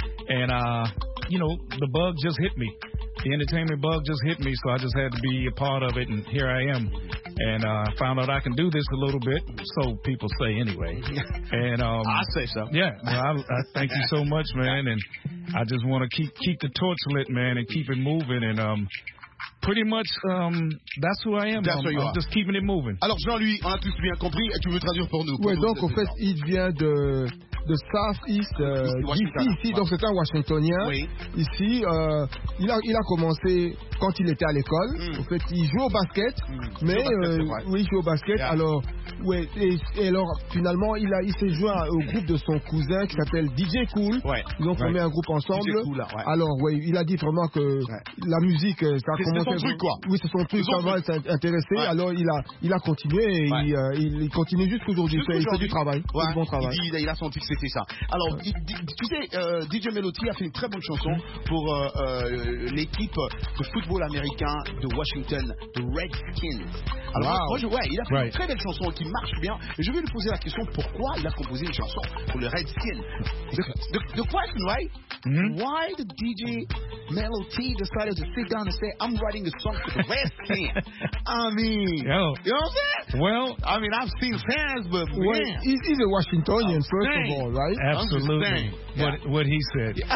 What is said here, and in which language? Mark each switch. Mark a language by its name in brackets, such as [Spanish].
[English] And, you know, the bug just hit me. The entertainment bug just hit me, so I just had to be a part of it, and here I am. And I found out I can do this a little bit, so people say anyway. And I say so. Yeah, well, I thank you so much, man. And I just want to keep the torch lit, man, and keep it moving. And pretty much, that's who I am. That's who you are. Just keeping it moving. [French] Alors, Jean-Louis, on a tous bien compris, et tu veux traduire pour nous. Oui, donc, en fait, il vient de Southeast, ici, donc c'est un Washingtonien. Oui. Ici, il a commencé quand il était à l'école. En fait, il joue au basket. Oui, il joue au basket. [English] Yeah. [French] Alors, ouais, et alors, finalement, il s'est joint au groupe de son cousin qui s'appelle DJ Kool. Ouais. Ils ont formé un groupe ensemble. DJ Kool, là, ouais. Alors, oui, il a dit vraiment que la musique, ça a commencé. C'est son truc, quoi. Oui, c'est son truc, ça va être intéressé. Ouais. Alors, il a continué et il continue jusqu'à aujourd'hui. Il fait du travail. Ouais. Du bon travail. Il a senti. C'était ça. Alors, tu sais, DJ Melody a fait une très bonne chanson pour l'équipe de football américain de Washington, de Redskins. Alors, il a fait une très belle chanson qui marche bien. Et je vais lui poser la question, pourquoi il a composé une chanson pour les Redskins? [English] The question, right? Mm-hmm. Why did DJ Melody decide to sit down and say, I'm writing a song for the Redskins? I mean, yo. You know what I'm saying? Well, I mean, I've seen fans, but well, he's a Washingtonian, first of all. Right? Absolutely. What he said.